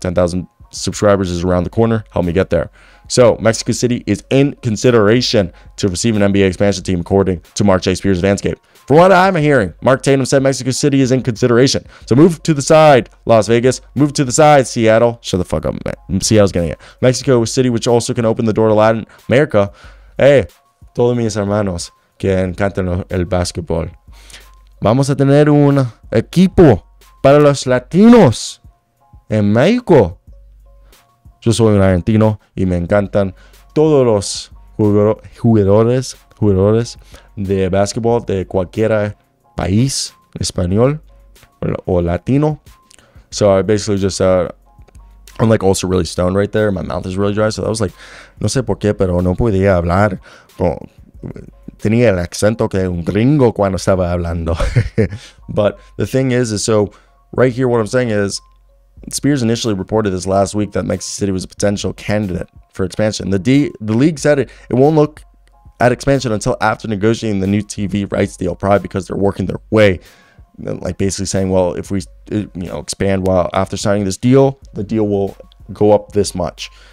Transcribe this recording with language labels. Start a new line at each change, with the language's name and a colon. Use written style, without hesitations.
English: 10,000 subscribers is around the corner. Help me get there. So Mexico City is in consideration to receive an NBA expansion team, according to Marc J. Spears of Andscape. From what I'm hearing, Mark Tatum said Mexico City is in consideration. So move to the side, Las Vegas. Move to the side, Seattle. Shut the fuck up, man. Seattle's getting it. Mexico City, which also can open the door to Latin America.
Spanish: Hey, todos mis hermanos que encantan el basketball. Vamos a tener un equipo para los latinos en México. Yo soy un argentino y me encantan todos los jugadores de basketball de cualquier país, español o latino.
English: So I basically just I'm like also really stoned right there. My mouth is really dry. So that was like,
Spanish: no sé por qué, pero no podía hablar. Tenía el acento que un gringo cuando estaba hablando.
English: But the thing is so right here, what I'm saying is Spears initially reported this last week that Mexico City was a potential candidate for expansion. The league said it won't look at expansion until after negotiating the new TV rights deal, probably because they're working their way, like basically saying, well, if we, you know, expand while after signing this deal, the deal will go up this much.